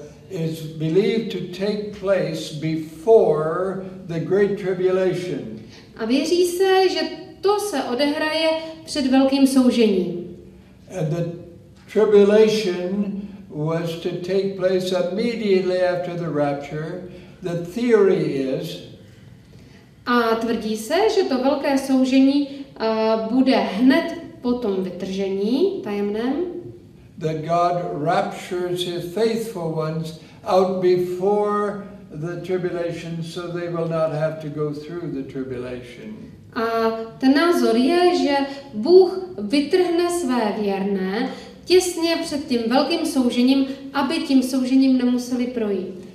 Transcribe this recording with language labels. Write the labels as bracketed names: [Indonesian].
[English] Is believed to take place before the great tribulation. [Czech] A věří se, že to se odehraje před velkým soužením. [English] And the tribulation was to take place immediately after the rapture. The theory is. [Czech] A tvrdí se, že to velké soužení bude hned po tom vytržení tajemném. [English] That God raptures his faithful ones out before the tribulation, so they will not have to go through the tribulation. [Czech] A ten názor je, že Bůh vytrhne své věrné těsně před tím velkým soužením, aby tím soužením nemuseli projít.